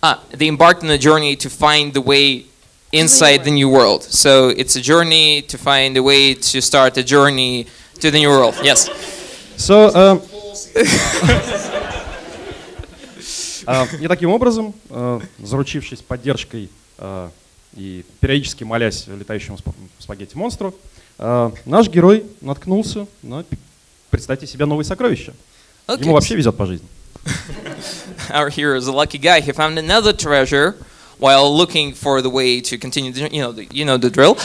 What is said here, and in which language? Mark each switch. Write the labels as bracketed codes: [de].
[en] They embarked on a journey to find the way inside the new world. So it's a journey to find a way to start a journey to the new world. Yes. [ru] So, и таким образом, заручившись поддержкой и периодически молясь летающему спагетти-монстру, наш герой наткнулся на, представьте себе, новое сокровище. [en] Okay. [ru] Ему вообще везет по жизни. [en] Our hero is a lucky guy. He found another treasure while looking for the way to continue, the, you know the drill.